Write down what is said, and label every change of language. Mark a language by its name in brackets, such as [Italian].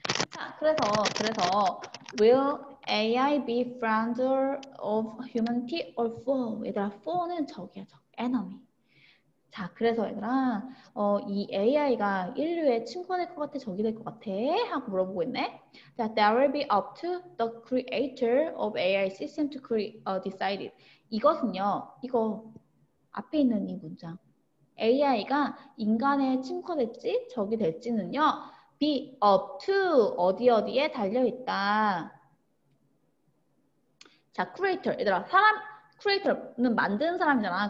[English] 자, 그래서 will AI be friend of humanity or foe? [Korean] 얘들아, foe는 적이야, 적, enemy. 자, 그래서 얘들아, 이 AI가 인류의 친구가 될 것 같아, 적이 될 것 같아? 하고 물어보고 있네. [English] 자, there will be up to the creator of AI system to decide it. [Korean] 이것은요, 이거 앞에 있는 이 문장, AI가 인간의 친구가 될지 적이 될지는요. [English] be up to [Korean] 어디 어디에 달려있다. 자, creator 얘들아, 사람 creator는 만든 사람이잖아.